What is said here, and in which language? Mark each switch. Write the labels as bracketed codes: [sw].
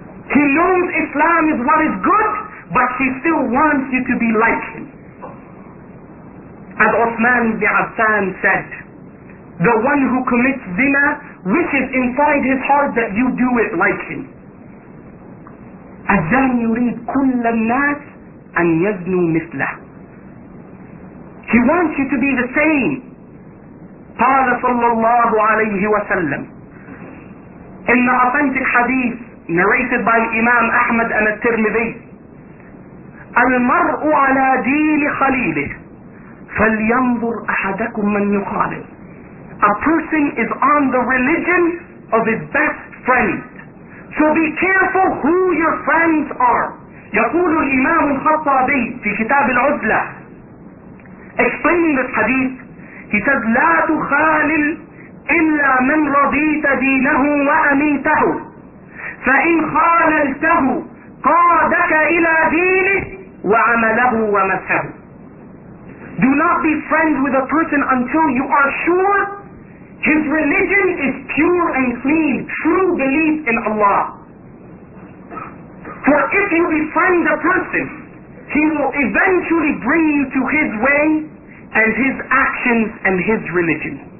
[en] He knows Islam is what is good, but he still wants you to be like him. As Uthman ibn Affan said, the one who commits zina wishes inside his heart that you do it like him. [ar] الزان يريد كل الناس أن يزنوا مثله. [en] He wants you to be the same. [ar] قال صلى الله عليه وسلم [en] in the authentic hadith narrated by Imam Ahmad and al-Tirmidhi, [ar] المرء على دين خليله فَلْيَنْظُرْ أَحَدَكُمْ مَنْ يُخَالِفُ. [en] A person is on the religion of his best friend. So be careful who your friends are. [ar] يقول الإمام الخطابي في كتاب العزلة [en] explaining this hadith, he says, [ar] لا تخالل إلا من رضيت دينه وأميته فإن خاللته قادك إلى دينه وعمله ومذهبه. [en] Do not be friends with a person until you are sure his religion is pure and clean, true belief in Allah. For if you befriend a person, he will eventually bring you to his way and his actions and his religion.